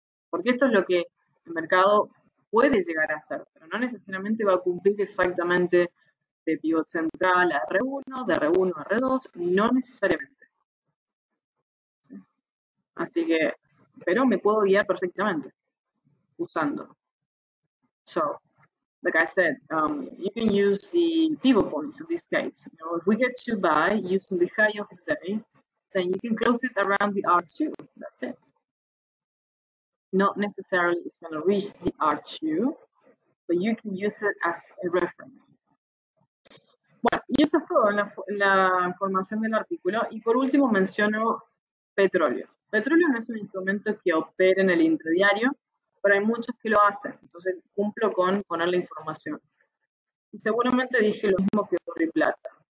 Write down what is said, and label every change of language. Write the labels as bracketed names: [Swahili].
[Spanish] Porque esto es lo que el mercado puede llegar a hacer, pero no necesariamente va a cumplir exactamente de pivot central a R1, de R1 a R2, no necesariamente. Así que, pero me puedo guiar perfectamente usando. [English] So, like I said, you can use the pivot points in this case. You know, if we get to buy using the high of the day, then you can close it around the R2. That's it. Not necessarily it's going to reach the R2, but you can use it as a reference. [Spanish] Bueno, y eso es todo en la información del artículo. Y por último menciono petróleo. Petróleo no es un instrumento que opere en el intradiario, pero hay muchos que lo hacen. Entonces cumplo con poner la información. Y seguramente dije lo mismo que oro y plata.